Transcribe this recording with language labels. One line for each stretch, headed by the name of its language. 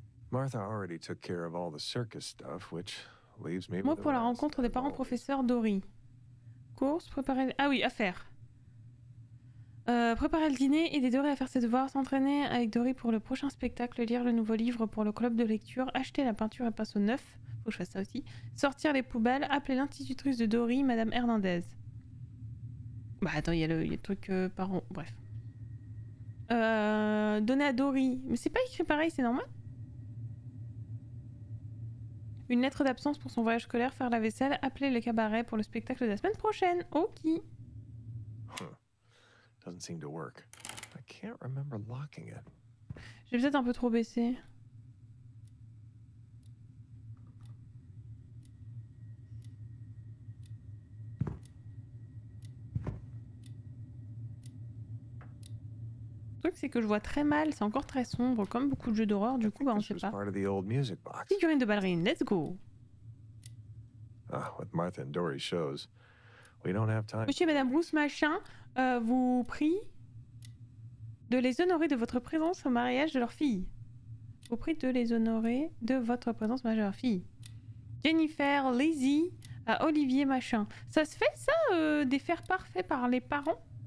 English: Martha already took care of all the circus stuff, which leaves me.
French: Moi pour la rencontre des parents professeurs Dory. Course, préparer. Ah oui, affaire. Préparer le dîner, aider Dory à faire ses devoirs, s'entraîner avec Dory pour le prochain spectacle, lire le nouveau livre pour le club de lecture, acheter la peinture à pinceau neuf. Faut que je fasse ça aussi. Sortir les poubelles, appeler l'institutrice de Dory, Madame Hernandez. Bah attends, il y a le truc parents. Bref. Donner à Dory. Mais c'est pas écrit pareil, c'est normal? Une lettre d'absence pour son voyage scolaire, faire la vaisselle, appeler le cabaret pour le spectacle de la semaine prochaine. Ok.
English: Doesn't seem to work. I can't remember locking it.
French: J'ai peut-être un peu trop baissé. Le truc c'est que je vois très mal, c'est encore très sombre, comme beaucoup de jeux d'horreur, du coup, bah on sait pas. Figurine de ballerine,
English: let's go. Ah, with Martha and Dory shows, we don't have time.
French: Monsieur et Madame Bruce Machin vous prie de les honorer de votre présence au mariage de leur fille. Vous prie de les honorer de votre présence au mariage de leur fille. Jennifer Lizzie à Olivier Machin. Ça se fait ça, des faire parfaits par les parents?